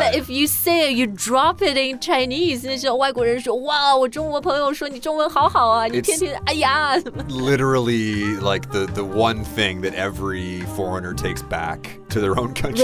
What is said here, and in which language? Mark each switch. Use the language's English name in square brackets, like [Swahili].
[English] But if you say it, you drop it in Chinese. [Chinese] 那时候外国人说哇我中国朋友说你中文好好啊你天天哎呀 [English] literally like the one thing that every foreigner takes back to their own country.